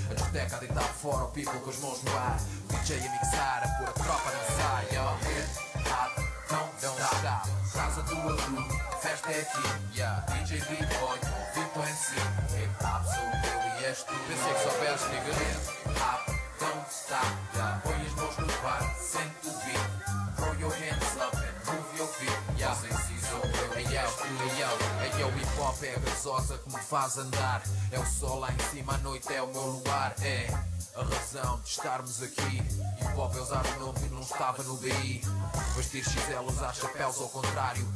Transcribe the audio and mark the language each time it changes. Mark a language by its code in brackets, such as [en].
[pt] A discoteca a deitar fora, o people com as mãos no ar. O DJ a mixar, a pôr a tropa na saia. Don't stop, casa do Alu, festa é aqui, yeah. DJ B-Boy, Vito em si, hip hop sou eu e és tu. Pensei que soubesse, nigga. Hip hop, don't stop, yeah. Põe as mãos no bar, sente o beat. [en] Throw your hands up and move your feet, yeah. [pt] Não sei se sou eu e és tu, leão. Aí é o hip hop, é a gasosa que me faz andar. É o sol lá em cima, a noite é o meu luar, é. A razão de estarmos aqui. Hip hop é usar o nome que não estava no BI. Vestir XL, usar chapéus ao contrário.